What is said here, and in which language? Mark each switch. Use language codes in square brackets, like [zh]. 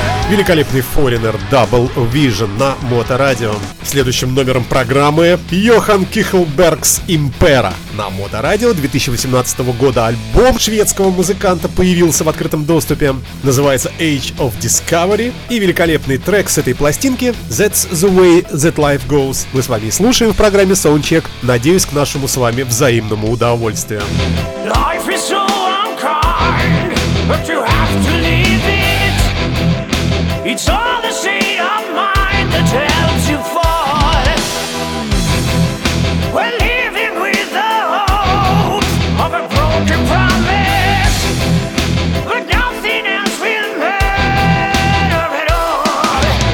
[ru] Великолепный Foreigner Double Vision на Моторадио. Следующим номером программы Johan Kihlbergs Impera на Моторадио 2018 года. Альбом шведского музыканта появился в открытом доступе. Называется Age of Discovery. И великолепный трек с этой пластинки That's the way that life goes. Мы с вами слушаем в программе Soundcheck. Надеюсь, к нашему с вами взаимному удовольствию. [en] Life is so unkind, but you have to leave it. It's all the state of mind that helps you fall. We're living with the hope of a broken promise, but nothing else will matter at all.